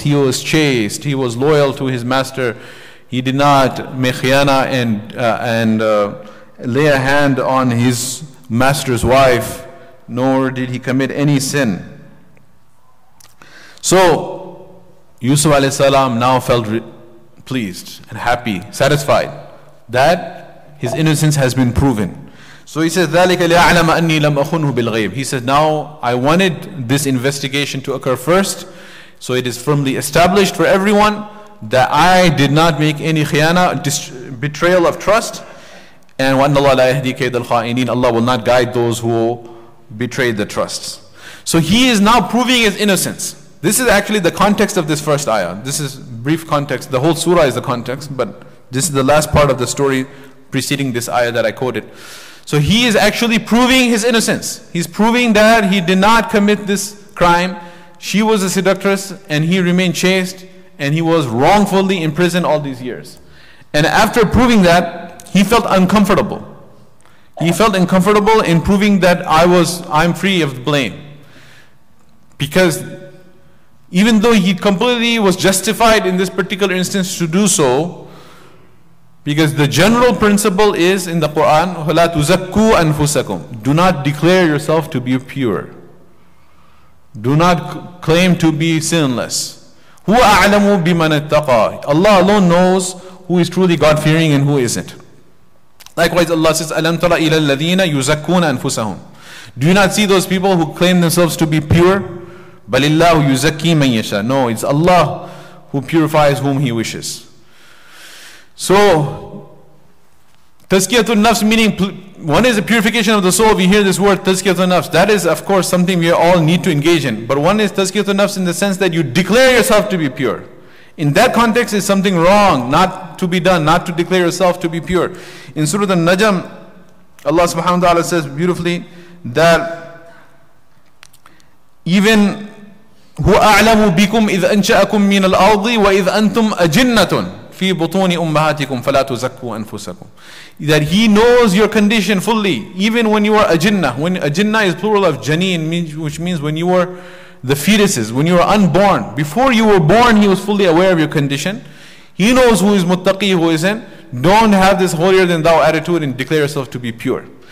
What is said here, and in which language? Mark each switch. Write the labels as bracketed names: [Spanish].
[English] He was chaste. He was loyal to his master. He did not make khiyana and lay a hand on his master's wife, nor did he commit any sin. So Yusuf alayhi salam now felt pleased and happy, satisfied that his innocence has been proven. So he says, [Arabic] ذَلِكَ لِيَعْلَمَ أَنِّي لَمْ أَخُنْهُ بِالْغَيْبِ. [English] He says, now I wanted this investigation to occur first, so it is firmly established for everyone that I did not make any khiyana, betrayal of trust. [Arabic] And وَأَنَّ اللَّهَ لَا يَهْدِي كَيْدَ الْخَائِنِينَ. [English] Allah will not guide those who betray the trusts. So he is now proving his innocence. This is actually the context of this first ayah. This is brief context. The whole surah is the context, but this is the last part of the story preceding this ayah that I quoted. So he is actually proving his innocence. He's proving that he did not commit this crime. She was a seductress and he remained chaste, and he was wrongfully imprisoned all these years. And after proving that, he felt uncomfortable. He felt uncomfortable in proving that I'm free of blame. Because even though he completely was justified in this particular instance to do so, because the general principle is in the Quran, [Arabic] وَلَا تُزَكُّوا أَنفُسَكُمْ. [English] Do not declare yourself to be pure. Do not claim to be sinless. [Arabic] هُوَ أَعْلَمُ بِمَنَ اتَّقَى. [English] Allah alone knows who is truly God-fearing and who isn't. Likewise, Allah says, [Arabic] أَلَمْ تَرَ إِلَى الَّذِينَ يُزَكُّونَ أَنفُسَهُمْ. [English] Do you not see those people who claim themselves to be pure? [Arabic] بَلِ اللَّهُ يُزَكِّي مَنْ يَشَى. [English] No, it's Allah who purifies whom He wishes. So, تَزْكِيَةُ النَّفْسِ, meaning, one is the purification of the soul. We hear this word, تَزْكِيَةُ النَّفْسِ. That is, of course, something we all need to engage in. But one is تَزْكِيَةُ النَّفْسِ in the sense that you declare yourself to be pure. In that context, it's something wrong not to be done, not to declare yourself to be pure. In Surah An-Najm, Allah subhanahu wa ta'ala says beautifully that even [Arabic] هُوَ أَعْلَمُ بِكُمْ إِذْ أَنْشَأَكُمْ مِنَ الْأَرْضِ وَإِذْ أَنْتُمْ أَجِنَّةٌ فِي بُطُونِ أُمَّهَاتِكُمْ فَلَا تُزَكُّوا أَنفُسَكُمْ. [English] That He knows your condition fully, even when you are ajinnah. When ajinnah is plural of janin, which means when you are the fetuses, when you are unborn. Before you were born, He was fully aware of your condition. He knows who is muttaqi, who isn't. Don't have this holier-than-thou attitude and declare yourself to be pure.